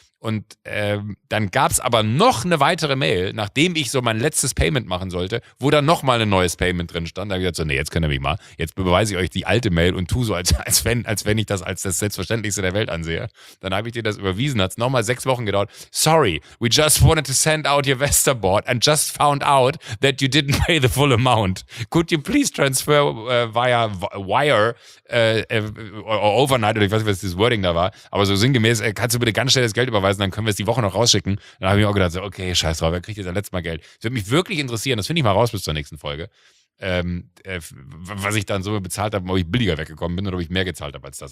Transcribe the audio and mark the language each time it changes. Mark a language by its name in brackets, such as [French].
[German] Und dann gab es aber noch eine weitere Mail, nachdem ich so mein letztes Payment machen sollte, wo dann nochmal ein neues Payment drin stand. Da habe ich gesagt, so, nee, jetzt könnt ihr mich mal, jetzt beweise ich euch die alte Mail und tu so, als wenn ich das als das Selbstverständlichste der Welt ansehe. Dann habe ich dir das überwiesen, hat es nochmal 6 Wochen gedauert. [English] Sorry, we just wanted to send out your Vesta board and just found out that you didn't pay the full amount. Could you please transfer via wire or overnight, [German] oder ich weiß nicht, was das Wording da war, aber so sinngemäß, kannst du bitte ganz schnell das Geld überweisen? Dann können wir es die Woche noch rausschicken. Dann habe ich mir auch gedacht, so, okay, scheiß drauf, wer kriegt jetzt das letzte Mal Geld? Das würde mich wirklich interessieren, das finde ich mal raus bis zur nächsten Folge, was ich dann so bezahlt habe, ob ich billiger weggekommen bin oder ob ich mehr gezahlt habe als das.